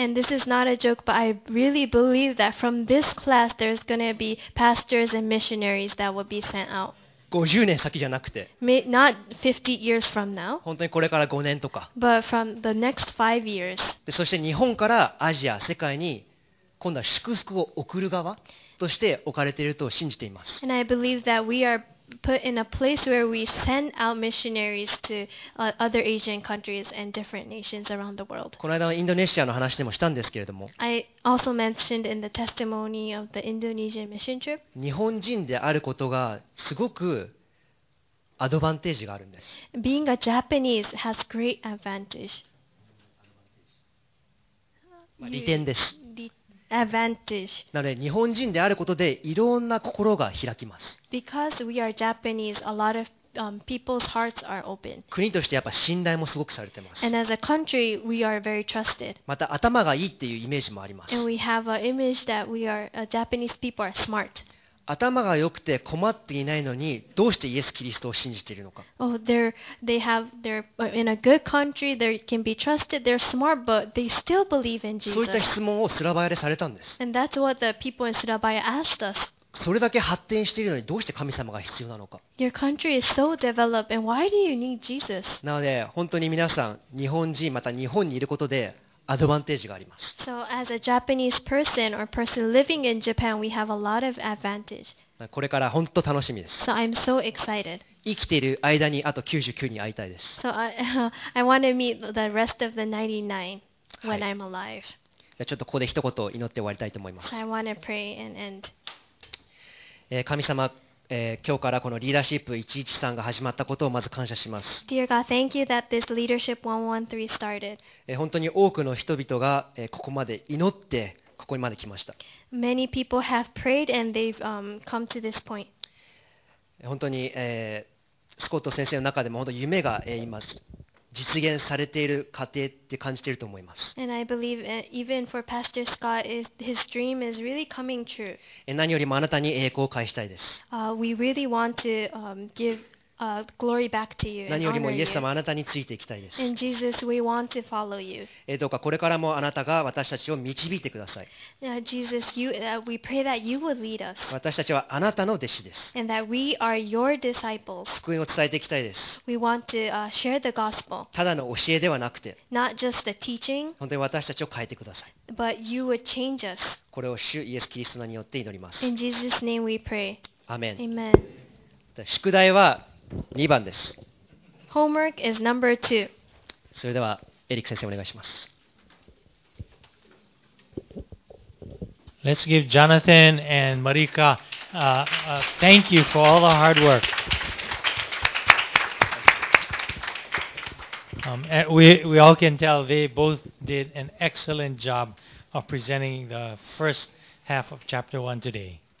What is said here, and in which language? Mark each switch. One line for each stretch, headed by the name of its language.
English: And this is not a joke, but I really believe that from this class there's going to be pastors and missionaries that will be sent out.
Japanese: 50年先じゃなくて。
English: Not 50 years from now.
Japanese: 本当にこれから5年とか。
English: But from the next 5 years.
Japanese: で、そして日本からアジア、世界に今度は祝福を送る側として置かれていると信じています。
English: And I believe that we areput in a place where we send out missionaries to other Asian countries and different nations around the world.
Japanese: この間インドネシアの話でもしたんですけれども。
English: I also mentioned in the testimony of the Indonesian mission trip.
Japanese: 日本人であることがすごくアドバンテージがあるんです。
English: Being a Japanese has great advantage.
Japanese: 利点です。
English: Advantage.
Japanese: なので日本人であることでいろんな心が開きます。
English: Because we are Japanese, a lot of people's hearts are open.
Japanese: 国としてやっぱ信頼もすごくされてます。
English: And as a country, we are very trusted.
Japanese: また頭がいいっていうイメージもあります。
English: And we have an image that we are Japanese people are smart.
Japanese: 頭が良くて困っていないのにどうしてイエス・キリストを信じているのか。
English: Oh, they're in a good country. They can be trusted. They're smart, but they still believe in Jesus.
Japanese: そういった質問をスラバヤでされたんです。
English: And that's what the people in Surabaya asked us.
Japanese: それだけ発展しているのにどうして神様が必要なのか。
English: Your country is so developed, and why do you need Jesus?
Japanese: なので本当に皆さん日本人また日本にいることで。アドバンテージがあります。
English: So as a Japanese person or person living in Japan, we have a lot of advantage.
Japanese: これから本当楽しみです。
English: So I'm so excited.
Japanese: 生きている間にあと99人会いたいです。
English: So I want to meet the rest of the 99 when I'm alive.
Japanese: じゃあちょっとここで一言祈って終わりたいと思います。
English: I want to pray and end.
Japanese: 神様、今日からこのリーダーシップ113が始まったことをまず感謝します。
English: Dear God, thank you that this leadership 113 started.
Japanese: 本当に多くの人々がここまで祈ってここにまで来ました。
English: Many people have prayed and they've come to this point.
Japanese: 本当に、スコット先生の中でも本当夢が、今実現されている過程って感じていると思います。
English: And I believe even for Pastor Scott, his dream is really coming true.
Japanese: 何よりもあなたに栄光を返したいです。
English: We really want to give glory back to you.
Japanese: 何よりもイエス様あなたについていきたいです。
English: And Jesus, we want to follow you.
Japanese: どうかこれからもあなたが私たちを導いてください。
English: Jesus, we pray that you would lead us.
Japanese: 私たちはあなたの弟子です。
English: And that we are your disciples.
Japanese: 福音を伝えていきたいです。
English: We want to share the gospel.
Japanese: ただの教えではなくて、
English: not just the teaching.
Japanese: 本当に私たちを変えてください。
English: But you would change us.
Japanese: これを主イエスキリストによって祈ります。
English: In Jesus' name we pray. Amen. Amen.
Japanese: 宿題は2番です。
English: Homework is number two.
Japanese: それではエリック先生お願いします。
English: Let's give Jonathan and Marika a thank you for all the hard work. We all can tell they both did an excellent job of presenting the first half of chapter one today.